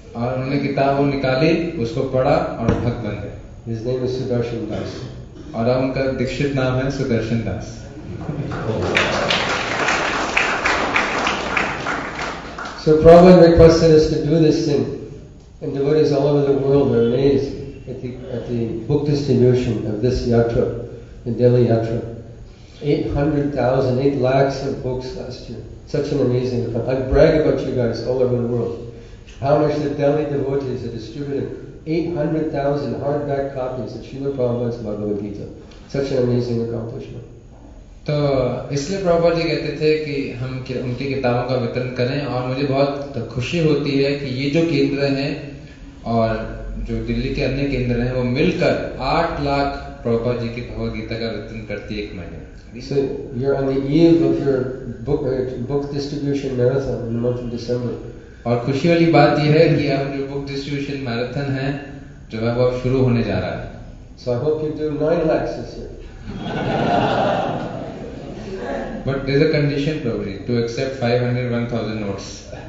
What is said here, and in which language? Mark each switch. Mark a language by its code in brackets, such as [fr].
[hi] और उन्होंने किताब वो निकाली, उसको पढ़ा और भक्त बन गए. [en] His name is Sudarshan Das. [hi] और अब उनका दीक्षित नाम है सुदर्शन दास. [en] So Prabhupada requested us to do this thing, and devotees all over the world are amazed at the book distribution of this yatra, the Delhi yatra. 800,000, 8 lakhs of books last year. Such an amazing thing. I brag about you guys all over the world. How much the Delhi devotees have distributed 800,000 hardback copies of Srila Prabhupada's Bhagavad Gita. Such an amazing accomplishment. [hi] तो इसलिए प्रभुपाद जी कहते थे कि हम उनकी किताबों का वितरण करें और मुझे बहुत खुशी होती है कि ये जो केंद्र हैं और जो दिल्ली के अन्य केंद्र हैं वो मिलकर 8 लाख प्रभुपाद जी की भगवद गीता का वितरण करती है एक महीने. [en] So you're on the eve of your book distribution marathon in the month of December. [hi] और खुशी वाली बात यह है कि हम जो [en] book distribution marathon [hi] है जो है वो अब शुरू होने जा रहा है. [en] So I hope you do 9 lakhs this year. But there's a condition probably to accept 500 1000 notes.